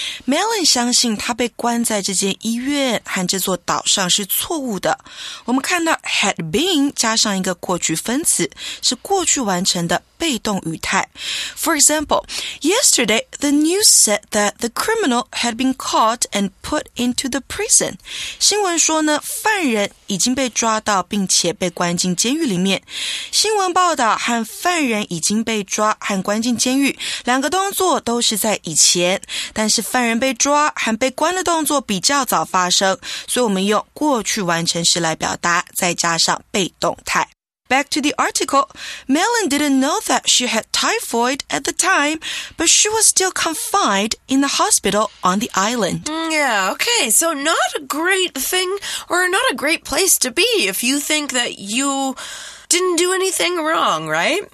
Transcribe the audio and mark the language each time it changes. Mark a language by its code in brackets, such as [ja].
[zh] Mallon 相信他被关在这间医院和这座岛上是错误的。我们看到 had been 加上一个过去分词是过去完成的被动语态。 [en] For example, yesterday the news said that the criminal had been caught and put into the prison. [zh] 新闻说呢犯人已经被抓到并且被关进监狱里面。新闻报道和犯人已经被抓和关进监狱两个动作都是在以前但是犯人被抓和被关的动作比较早发生所以我们用过去完成时来表达再加上被动态。 [en] Back to the article, Mallon didn't know that she had typhoid at the time, but she was still confined in the hospital on the island. Yeah, okay, so not a great thing or not a great place to be if you think that you didn't do anything wrong, right?